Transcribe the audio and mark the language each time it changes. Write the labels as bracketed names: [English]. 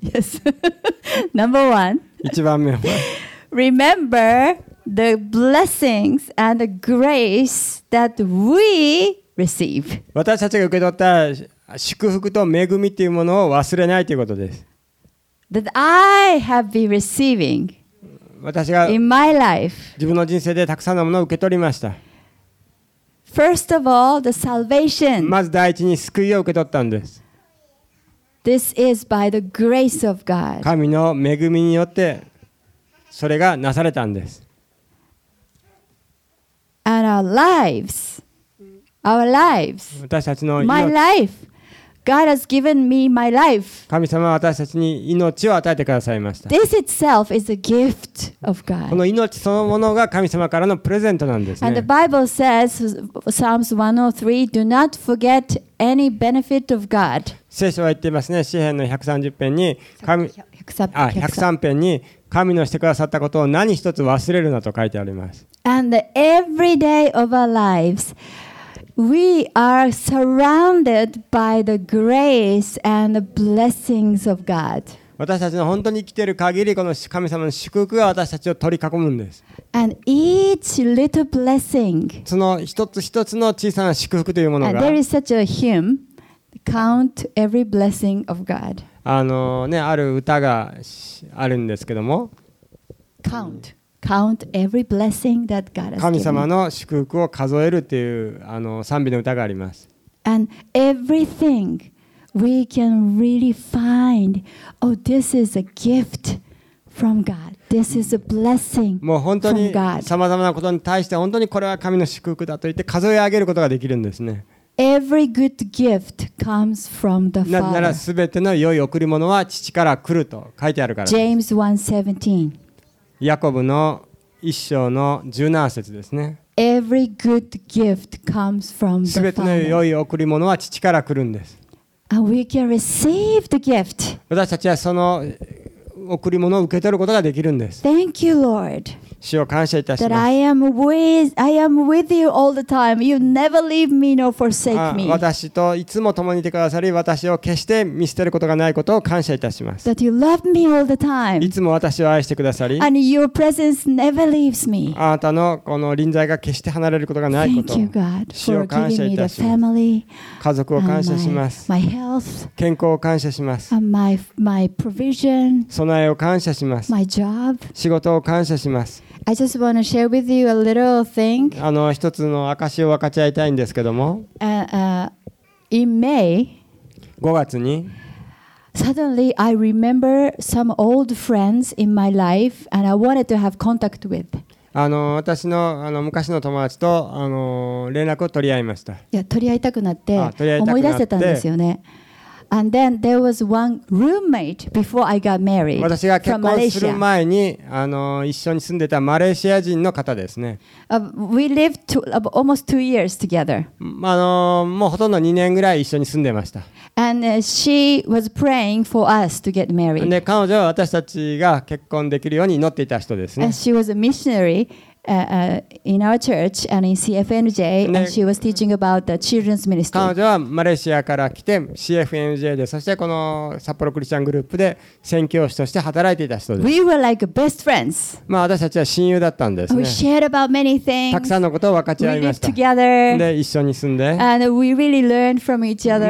[English] yes. Number one. [Japanese] 一番目は。 [English] Remember the blessings and the grace that we receive. [Japanese] 私たちが受け取った祝福と恵みというものを忘れないということです。 [English] That I have been receiving [Japanese] 私が [English] in my life. [Japanese] 自分の人生でたくさんのものを受け取りました。 [English] First of all, the salvation. [Japanese] まず第一に救いを受け取ったんです。 [English] This is by the grace of God. [Japanese] 神の恵みによってそれがなされたんです。 [English] And our lives. Our lives. [Japanese] 私たちの命。 [English] My life. God has given me my life. [Japanese] 神様は私たちに命を与えてくださいました。 [English] This itself is a gift of God. [Japanese] この命そのものが神様からのプレゼントなんですね。 [English] And the Bible says, Psalms 103, do not forget any benefit of God. [Japanese] 聖書は言っていますね。詩篇の130編に103編に神のしてくださったことを何一つ忘れるなと書いてあります。 [English] And every day of our lives. We are surrounded by the grace and the blessings of God. [Japanese] 私たちの本当に生きている限り、この神様の祝福が私たちを取り囲むんです。 [English] And each little blessing. [Japanese] その一つ一つの小さな祝福というものが。 [English] And there is such a hymn, count every blessing of God. [Japanese] ね、ある歌があるんですけども。 [English] Count. Count every blessing that God has given. [Japanese] 神様の祝福を数えるっていう賛美の歌があります。 [English] And everything we can really find, oh, this is a gift from God. This is a blessing from God. [Japanese] もう本当にさまざまなことに対して本当にこれは神の祝福だと言って数え上げることができるんですね。 [English] Every good gift comes from the Father. [Japanese] なら全ての良い贈り物は父から来ると書いてあるからです。James 1:17。ヤコブの一章の17節ですね。 [English] Every good gift comes from the Father. [Japanese] 全ての良い贈り物は父から来るんです。 [English] And we can receive the gift. [Japanese] 私たちはその贈り物を受け取ることができるんです。 [English] Thank you, Lord. [Japanese] 主を感謝いたします。 [English] That I am with you all the time. You never leave me nor forsake me. [Japanese] 私といつも共にいてくださり、私を決して見捨てることがないことを感謝いたします。 [English] That you love me all the time. [Japanese] いつも私を愛してくださり、 [English] And your presence never leaves me. [Japanese] あなたのこの臨在が決して離れることがないこと。 [English] Thank you, God, for giving me the family. [Japanese] 家族を感謝します。 [English] My health. [Japanese] 健康を感謝します。 [English] And my provision. [Japanese] 備えを感謝します。 [English] My job. [Japanese] 仕事を感謝します。 [English] I just want to share with you a little thing. [Japanese] 一つの証を分かち合いたいんですけども。 [English] In May. [Japanese] 5月に。 [English] Suddenly, I remember some old friends in my life, and I wanted to have contact with. [Japanese] 私の昔の友達と連絡を取り合いました。いや、取り合いたくなって思い出せたんですよね。 [English] And then there was one roommate before I got married. [Japanese] 私が結婚する前に一緒に住んでたマレーシア人の方ですね。 [English] We lived almost 2 years together. [Japanese] もうほとんど2年ぐらい一緒に住んでました。 [English] And she was praying for us to get married. [Japanese] で、彼女は私たちが結婚できるように祈っていた人ですね。 [English] And she was a missionary. In our church and in CFNJ, and she was teaching about the children's ministry. [Japanese] 彼女はマレーシアから来て CFNJ で、そしてこの札幌クリスチャングループで宣教師として働いていた人です。 [English] We were like best friends. [Japanese] 私たちは親友だったんですね。 [English] We shared about many things. [Japanese] たくさんのことを分かち合いました。 [English] We lived together. [Japanese] で、一緒に住んで。 [English] And we really learned from each other.